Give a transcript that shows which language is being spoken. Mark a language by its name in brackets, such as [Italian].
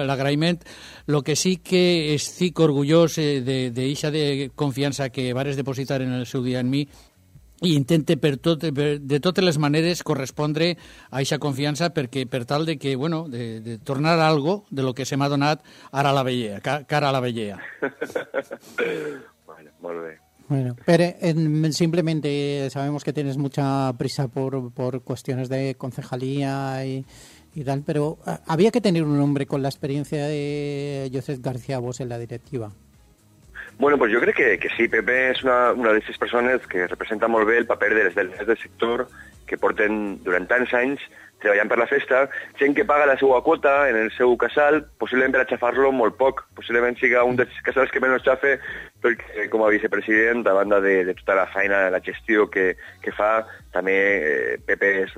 [Catalan] L'agraïment, el que sí que estic orgullós d'eixa de confiança que vares depositar en el seu dia en mi, i intente de totes les maneres correspondre a eixa confiança perquè per tal de que, bueno, de tornar algo de lo que se m'ha donat ara a la vellea, cara a la vellea. Bueno, molt bé. [Spanish] Bueno, Pere, simplemente sabemos que tienes mucha prisa por cuestiones de concejalía y tal, pero había que tener un hombre con la experiencia de Josep García Bosch en la directiva. Bueno, pues yo creo que sí, Pepe es una de esas personas que representa muy bien el papel de las delegadas del sector que [Catalan] porten durante tantos años treballant per la festa, gent que paga la seva quota en el seu casal, possiblement per aixafar-lo molt poc, possiblement siga un dels casals que menys xafe, perquè com a vicepresident, a banda de tota la feina, la gestió que fa, també Pepe,